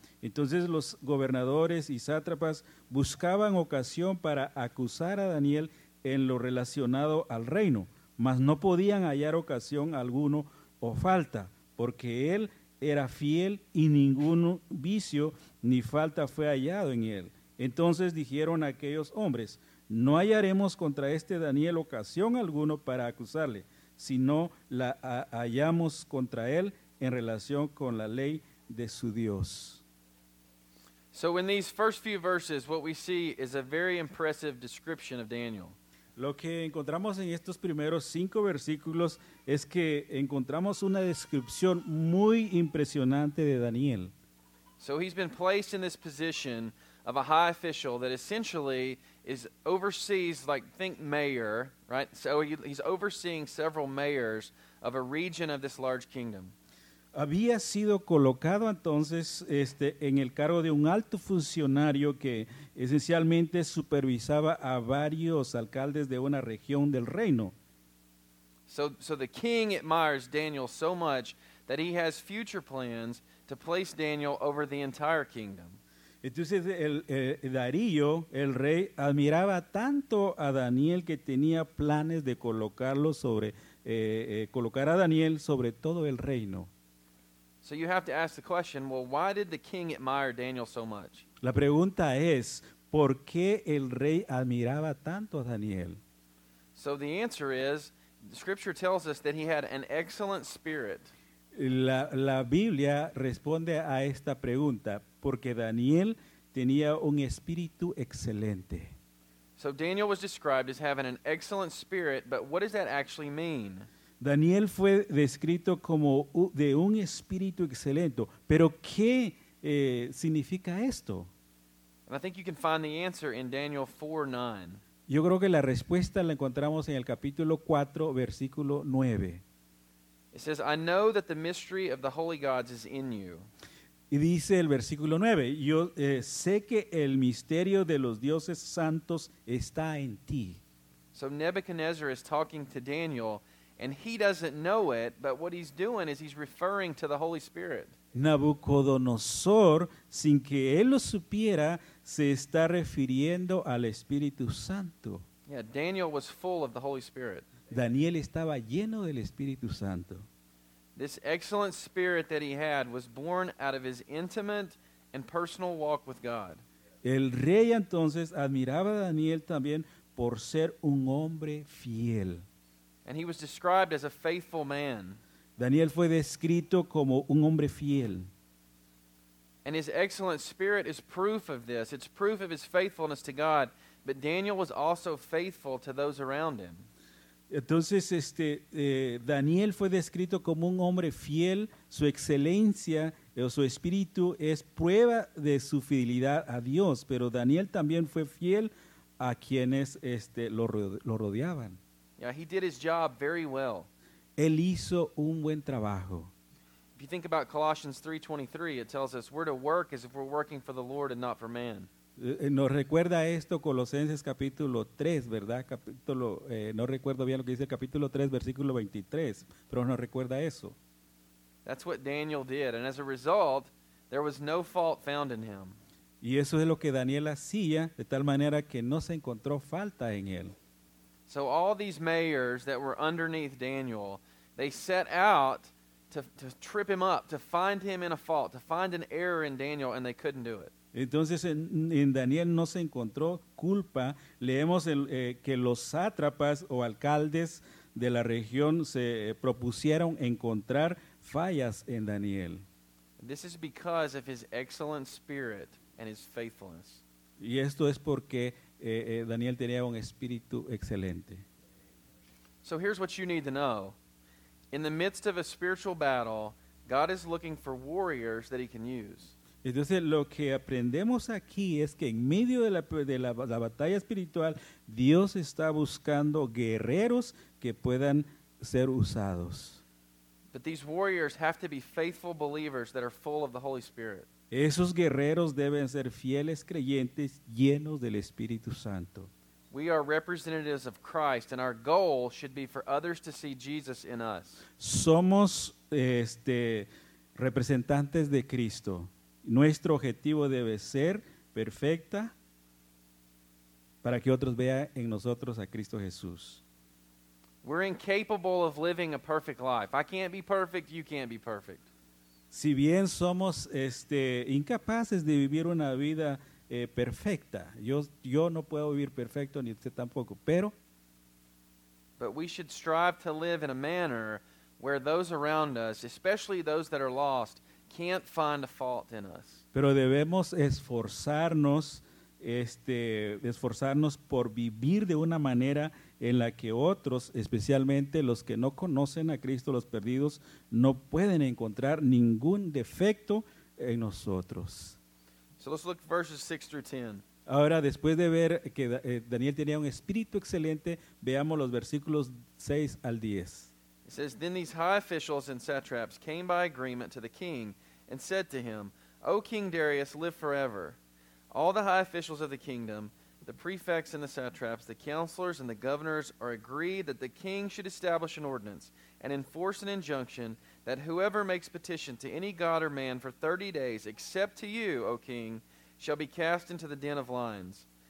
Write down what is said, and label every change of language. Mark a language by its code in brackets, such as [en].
[es] Entonces los gobernadores y sátrapas buscaban ocasión para acusar a Daniel en lo relacionado al reino, mas no podían hallar ocasión alguno o falta, porque él era fiel y ningún vicio ni falta fue hallado en él. Entonces dijeron aquellos hombres: no hallaremos contra este Daniel ocasión alguno para acusarle, sino la hallamos contra él en relación con la ley de su Dios. [en] So in these first few verses, what we see is a very impressive description of Daniel. [es] Lo que encontramos en estos primeros cinco versículos es que encontramos una descripción muy impresionante de Daniel. [en] So he's been placed in this position of a high official that essentially is oversees, like, think mayor, right? So he's overseeing several mayors of a region of this large kingdom. [es] Había sido colocado entonces en el cargo de un alto funcionario que esencialmente supervisaba a varios alcaldes de una región del reino. [en] So the king admires Daniel so much that he has future plans to place Daniel over the entire kingdom. [es] Entonces Darío, el rey, admiraba tanto a Daniel que tenía planes de colocar a Daniel sobre todo el reino. [en] So you have to ask the question, well, why did the king admire Daniel so much? [es] La pregunta es, ¿por qué el rey admiraba tanto a Daniel? [en] So the answer is, the scripture tells us that he had an excellent spirit. [es] La Biblia responde a esta pregunta, porque Daniel tenía un espíritu excelente. [en] So Daniel was described as having an excellent spirit, but what does that actually mean? [es] Daniel fue descrito como de un espíritu excelente. ¿Pero qué significa esto? [en] And I think you can find the answer in Daniel 4:9. [es] Yo creo que la respuesta la encontramos en el capítulo 4, versículo 9. [en] It says, I know that the mystery of the holy gods is in you. [es] Y dice el versículo 9, yo sé que el misterio de los dioses santos está en ti. [en] So Nebuchadnezzar is talking to Daniel, and he doesn't know it, but what he's doing is he's referring to the Holy Spirit. [es] Nabucodonosor, sin que él lo supiera, se está refiriendo al Espíritu Santo. [en] Yeah, Daniel was full of the Holy Spirit. [es] Daniel estaba lleno del Espíritu Santo. [en] This excellent spirit that he had was born out of his intimate and personal walk with God. [es] El rey entonces admiraba a Daniel también por ser un hombre fiel. [en] And he was described as a faithful man. [es] Daniel fue descrito como un hombre fiel. [en] And his excellent spirit is proof of this. It's proof of his faithfulness to God. But Daniel was also faithful to those around him. [es] Entonces, Daniel fue descrito como un hombre fiel. Su excelencia o su espíritu es prueba de su fidelidad a Dios. Pero Daniel también fue fiel a quienes lo rodeaban. [en] Yeah, he did his job very well. [es] Él hizo un buen trabajo. [en] If you think about Colossians 3:23, it tells us we're to work as if we're working for the Lord and not for man. [es] Nos recuerda esto Colosenses capítulo 3, ¿verdad? Capítulo, no recuerdo bien lo que dice el capítulo 3, versículo 23, pero nos recuerda eso. [en] That's what Daniel did, and as a result, there was no fault found in him. [es] Y eso es lo que Daniel hacía, de tal manera que no se encontró falta en él. [en] So all these mayors that were underneath Daniel, they set out to trip him up, to find him in a fault, to find an error in Daniel, and they couldn't do it. [es] Entonces en Daniel no se encontró culpa. Leemos que los sátrapas o alcaldes de la región se propusieron encontrar fallas en Daniel. [en] This is because of his excellent spirit and his faithfulness. [es] Y esto es porque Daniel tenía un espíritu excelente. [en] So here's what you need to know. In the midst of a spiritual battle, God is looking for warriors that he can use. [es] Entonces, lo que aprendemos aquí es que en medio de la batalla espiritual, Dios está buscando guerreros que puedan ser usados. [en] But these warriors have to be faithful believers that are full of the Holy Spirit. [es] Esos guerreros deben ser fieles creyentes llenos del Espíritu Santo. [en] We are representatives of Christ, and our goal should be for others to see Jesus in us. [es] Somos representantes de Cristo. Nuestro objetivo debe ser perfecta para que otros vean en nosotros a Cristo Jesús. [en] We're incapable of living a perfect life. I can't be perfect, you can't be perfect. [es] Si bien somos incapaces de vivir una vida perfecta, yo no puedo vivir perfecto ni usted tampoco, pero [en] we should strive to live in a manner where those around us, especially those that are lost, can't find a fault in us. [es] Pero debemos esforzarnos por vivir de una manera en la que otros, especialmente los que no conocen a Cristo, los perdidos, no pueden encontrar ningún defecto en nosotros. [en] So let's look at verses 6 through 10. [es] Ahora, después de ver que Daniel tenía un espíritu excelente, veamos los versículos 6 al 10. [en] It says, "Then these high officials and satraps came by agreement to the king and said to him, 'O King Darius, live forever. All the high officials of the kingdom, the prefects and the satraps, the counselors and the governors are agreed that the king should establish an ordinance and enforce an injunction that whoever makes petition to any god or man for 30 days, except to you, O king, shall be cast into the den of lions.